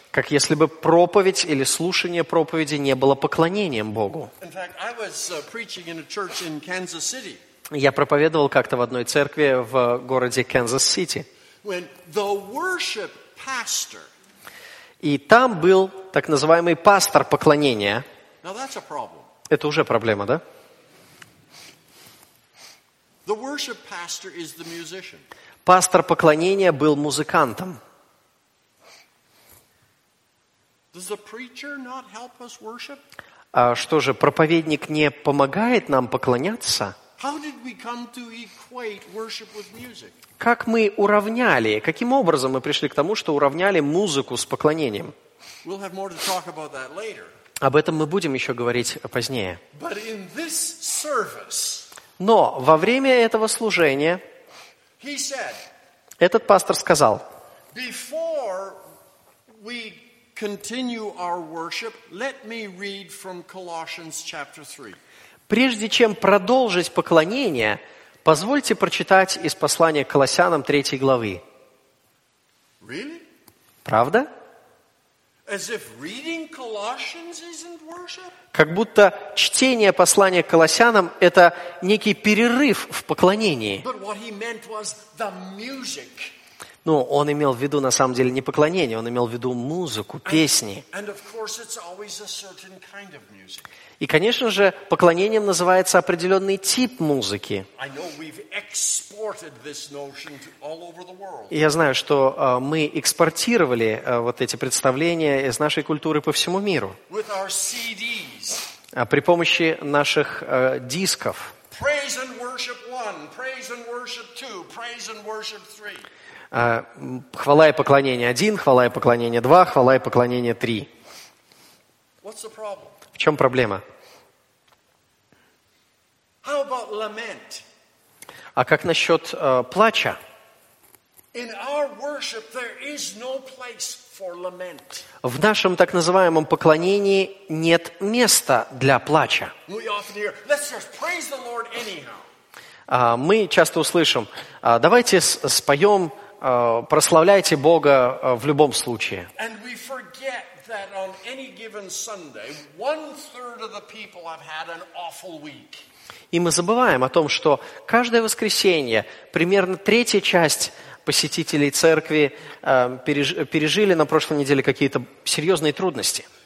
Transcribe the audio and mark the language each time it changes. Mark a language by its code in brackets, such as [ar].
[ru] Как если бы проповедь или слушание проповеди не было поклонением Богу. [en] In fact, I was preaching in a church in Kansas City. [ru] Я проповедовал как-то в одной церкви в городе Канзас-Сити. [en] When the worship pastor. [ru] И там был так называемый пастор поклонения. [en] Now that's a problem. [ru] Это уже проблема, да? [en] The worship pastor is the musician. [ru] Пастор поклонения был музыкантом. [en] Does the preacher not help us worship? [ru] А что же, проповедник не помогает нам поклоняться? [en] How did we come to equate worship with music? [ru] Как мы уравняли, каким образом мы пришли к тому, что уравняли музыку с поклонением? [en] We'll have more to talk about that later. [ru] Об этом мы будем еще говорить позднее. [en] But in this service, [ru] но во время этого служения [en] said, [ru] этот пастор сказал, [en] before we continue our worship, let me read from Colossians chapter 3. [ru] Прежде чем продолжить поклонение, позвольте прочитать из послания к Колоссянам 3 главы. [en] Really? [ru] Правда? [en] As if reading Colossians isn't worship? [ru] Как будто чтение послания к Колоссянам – это некий перерыв в поклонении. [en] But what he meant was the music. [ru] Ну, он имел в виду, на самом деле, не поклонение, он имел в виду музыку, песни. [en] And of course it's always a certain kind of music. [ru] И, конечно же, поклонением называется определенный тип музыки. [en] I know we've exported this notion to all over the world. [ru] Я знаю, что мы экспортировали вот эти представления из нашей культуры по всему миру. [en] With our CDs. [ru] При помощи наших дисков. [en] Praise and worship one, praise and worship two, praise and worship three. [ru] Хвала и поклонение 1, хвала и поклонение 2, хвала и поклонение 3. В чем проблема? [en] How about lament? [ru] А как насчет плача? [en] In our worship there is no place for lament. [ru] В нашем так называемом поклонении нет места для плача. [en] We often hear, let's just praise the Lord anyhow. [ru] Мы часто услышим, давайте споем, прославляйте Бога в любом случае. [en] And we forget that on any given Sunday, one third of the people have had an awful week. [ru] И мы забываем о том, что каждое воскресенье примерно третья часть посетителей церкви пережили на прошлой неделе какие-то серьезные трудности.